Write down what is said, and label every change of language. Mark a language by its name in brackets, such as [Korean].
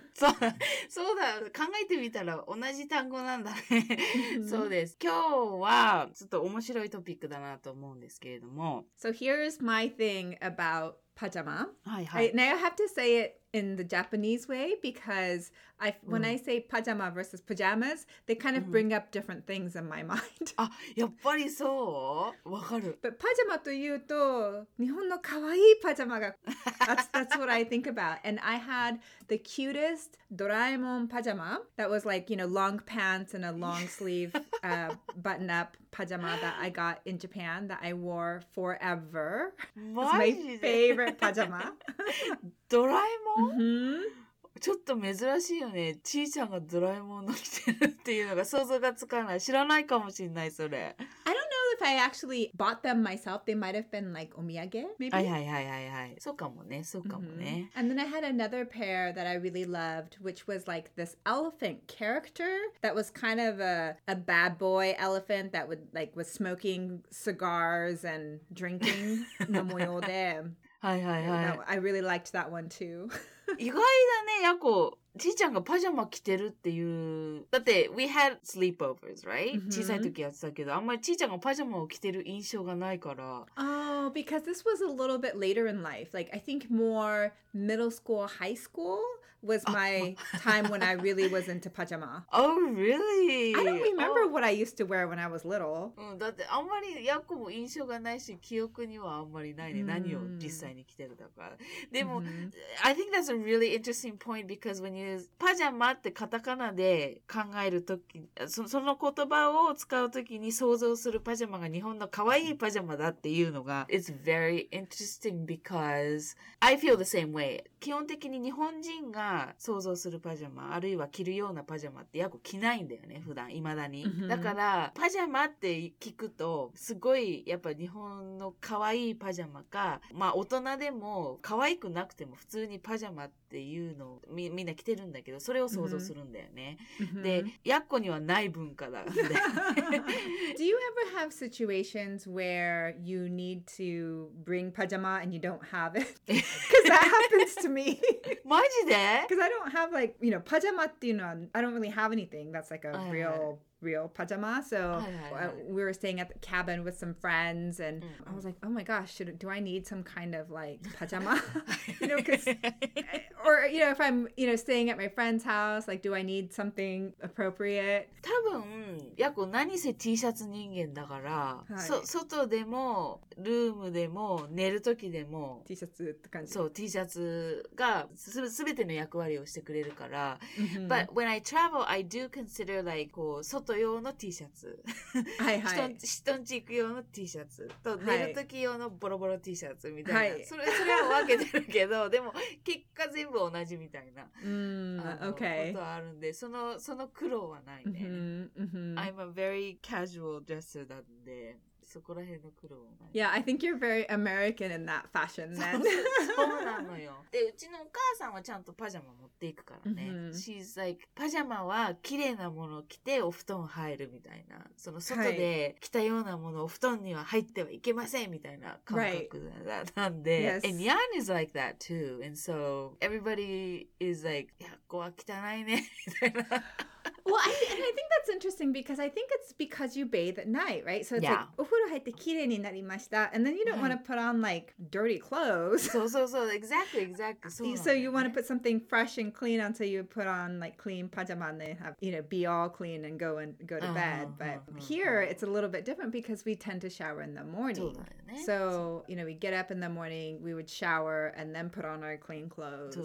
[Japanese] そうだ、考えてみたら同じ単語なんだね。そうです。今日はちょっと面白いトピックだなと思うんですけれども。 [English] So here's my thing about pajama. [Japanese] はいはい。 [English] Now I have to say itin the Japanese way, because I, when I say pajama versus pajamas, they kind of bring up different things in my mind. [Japanese] あ、やっぱりそう？わかる。 [English] But pajama [Japanese] というと、日本の可愛いパジャマが、 [English] that's what I think about. And I had the cutest Doraemon pajama that was like, you know, long pants and a long sleeve button-up pajama that I got in Japan that I wore forever. [Japanese] マジで？ [English] It's my favorite pajama. [Japanese] ドラえもん、ちょっと珍しいよね。ちーちゃんがドラえもんの着てるっていうのが想像がつかない。知らないかもしれない、それ。 [English] I don't know if I actually bought them myself. They might have been like お土産、maybe? [Japanese] はいはいはいはいはい。そうかもね、そうかもね。 [English] And then I had another pair that I really loved, which was like this elephant character that was kind of a bad boy elephant that would like was smoking cigars and drinking [Japanese] の模様で。はいはいはい。 [English] That, I really liked that one too. [Japanese] 意外だね、やこ。ちーちゃんがパジャマ着てるっていう。だって、 [English] we had sleepovers, right?、Mm-hmm. [Japanese] 小さい時やってたけど、あんまりちーちゃんがパジャマを着てる印象がないから。 [English] Oh, because this was a little bit later in life. Like, I think more middle school, high school was my time when I really was into pajama. Oh, really? I don't remember what I used to wear when I was little. [Japanese] だってあんまりやっこも印象がないし、記憶にはあんまりないね。 [English] Mm-hmm. [Japanese] 何を実際に着てるだから。でも、mm-hmm. [English] I think that's a really interesting point because when you, [Japanese] パジャマってカタカナで考えるとき、その言葉を使うときに想像するパジャマが日本の可愛いパジャマだっていうのが、 [English] it's very interesting because I feel the same way. [Japanese] 基本的に日本人が想像するパジャマ、あるいは着るようなパジャマってやっぱ着ないんだよね、普段、未だに。だから、パジャマって聞くと、すごいやっぱ日本の可愛いパジャマか、まあ大人でも可愛くなくても普通にパジャマっていうのをみんな着てるんだけど、それを想像するんだよね。で、やっこにはない文化だ。 [English] Do you ever have situations where you need to bring pajama and you don't have it? Because that happens to me. [Japanese] マジで？ [English] Because I don't have like, you know, pajama [Japanese] っていうのは、 [English] I don't really have anything that's like a real pajama. So we were staying at the cabin with some friends and I was like, oh my gosh, do I need some kind of like pajama? You know, because... Or, you know, if I'm, you know, staying at my friend's house, like, do I need something appropriate? [Japanese] 多分、やこ何せ T シャツ人間だから、はい、外でも、ルームでも、寝る時でも、 T シャツって感じ。そう、T シャツがすべての役割をしてくれるから。 [English] But when I travel, I do consider, like, [Japanese] こう、外用の T シャツ。はいはい。人んち行く用の T シャツ。と、寝る時用のボロボロ T シャツみたいな。はい、それは分けてるけど、でも、結果全部同じみたいな、 [English] okay. [Japanese] ことあるんで、その苦労はないね。 [English] Mm-hmm. I'm a very casual dresser [Japanese] なんで、そこら辺の苦労はない。 [English] Yeah, I think you're very American in that fashion then. [Japanese] そうなのよ。で、うちのお母さんはちゃんとパジャマ持っていくからね。 [English] Mm-hmm. She's like, [Japanese] パジャマは綺麗なものを着てお布団入るみたいな。その外で着たようなものお布団には入ってはいけませんみたいな感覚なんで。 [English] Yes. And Yan is like that too. And so everybody is like, [Japanese] 学校は汚いね、みたいな。 [English] Well, I think that's interesting because I think it's because you bathe at night, right? So it's yeah. [Japanese] like, お風呂入ってきれいになりました. [English] And then you don't want to put on like dirty clothes. So, exactly, exactly. So, so you want to put something fresh and clean until you put on like clean pajama and they have, you know, be all clean and go to bed. But here it's a little bit different because we tend to shower in the morning. So, you know, we get up in the morning, we would shower and then put on our clean clothes.